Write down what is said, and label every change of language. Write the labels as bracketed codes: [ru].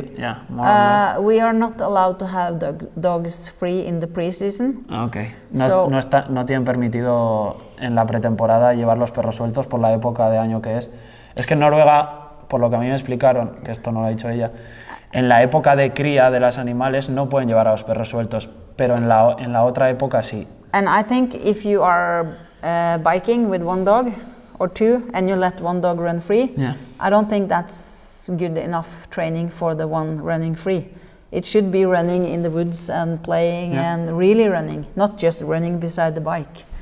[en] We are not allowed to have dogs free in the pre-season. Okay. [es] No tienen permitido en la pretemporada llevar los perros sueltos por la época de año que es. Es que en Noruega, por lo que a mí me explicaron, que esto no lo ha dicho ella, en la época de cría de los animales no pueden llevar a los perros sueltos, pero en la otra época sí. [en] And I think if you are biking with one dog or two and you let one dog run free, yeah. I don't think that's good enough training for the one running free. It should be running in the woods and playing and really running, not just running beside the bike.